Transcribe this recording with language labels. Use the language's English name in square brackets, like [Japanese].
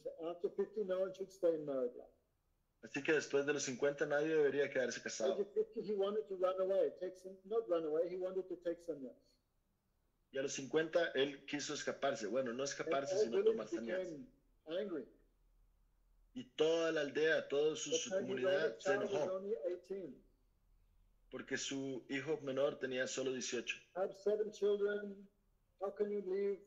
[English] After 50, no one should stay in married life. [Spanish] Así que después de los 50 nadie debería quedarse casado. [English] He wanted to run away, not run away, he wanted to take sannyas. [Spanish] Y a los 50 él quiso escaparse, bueno, no escaparse sino tomar sannyas. Y toda la aldea, toda su comunidad se enojó. Porque su hijo menor tenía solo 18. [English] I have seven children. How can you leave?